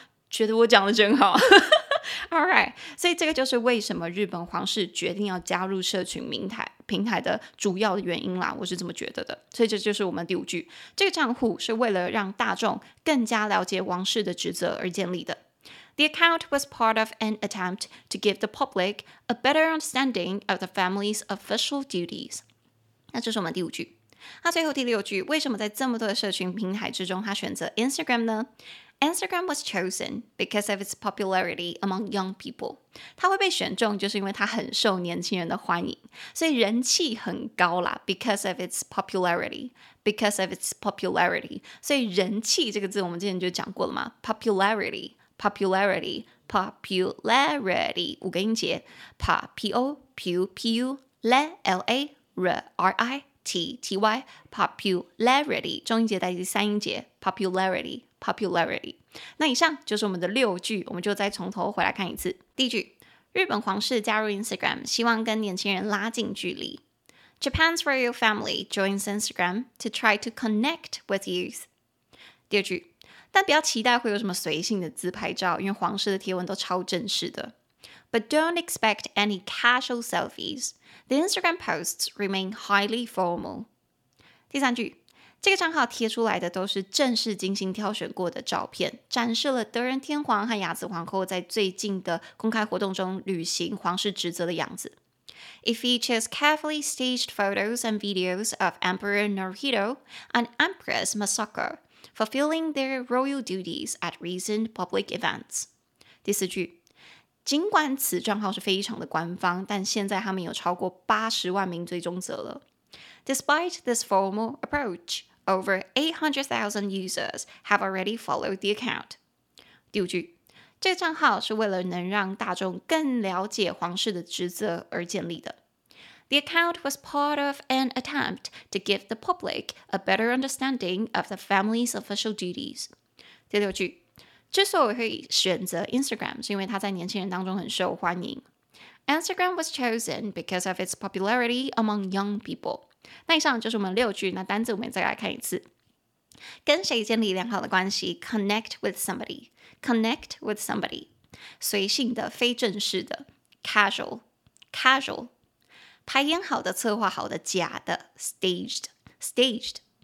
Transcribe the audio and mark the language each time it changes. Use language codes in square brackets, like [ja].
[zh] 觉得我讲的真好All right， 所以这个就是为什么日本皇室决定要加入社群平台的主要原因啦，我是这么觉得的。所以这就是我们第五句，这个账户是为了让大众更加了解王室的职责而建立的。 [en] The account was part of an attempt to give the public a better understanding of the family's official duties。 [zh] 那这是我们第五句。那最后第六句，为什么在这么多的社群平台之中他选择 Instagram 呢？ [en] Instagram was chosen because of its popularity among young people. [zh] 它会被选中就是因为它很受年轻人的欢迎，所以人气很高啦。 [en] Because of its popularity, because of its popularity. [zh] 所以人气这个字我们之前就讲过了嘛， popularity, popularity, popularity, 五个音节， popularity, [en] R-I-T-T-Y popularity， [zh] 中音节代替三音节 [en] popularity， popularity。 [zh] 那以上就是我们的六句，我们就再从头回来看一次。第一句，日本皇室加入 Instagram， 希望跟年轻人拉近距离。 [en] Japan's royal family joins Instagram to try to connect with youth. [zh] 第二句，但不要期待会有什么随性的自拍照，因为皇室的贴文都超正式的。 [en] But don't expect any casual selfies. The Instagram posts remain highly formal. [zh] 第三句，这个账号贴出来的都是正式精心挑选过的照片，展示了德仁天皇和雅子皇后在最近的公开活动中履行皇室职责的样子。 [en] It features carefully staged photos and videos of Emperor Naruhito and Empress Masako fulfilling their royal duties at recent public events. [zh] 第四句，尽管此账号是非常的官方，但现在他们有超过80万名追踪者了。 [en] Despite this formal approach, over 800,000 users have already followed the account. [zh] 第五句，这个账号是为了能让大众更了解皇室的职责而建立的。 [en] The account was part of an attempt to give the public a better understanding of the family's official duties. [zh] 第六句，之所以会选择 Instagram 是因为它在年轻人当中很受欢迎。 [en] Instagram was chosen because of its popularity among young people. [zh] 那以上就是我们六句，那单字我们再来看一次。跟谁建立良好的关系 [en] ？Connect with somebody. Connect with somebody. [zh] 随性的，非正式的 ，casual. Casual. 排演好的，策划好的，假的 ，staged. Staged.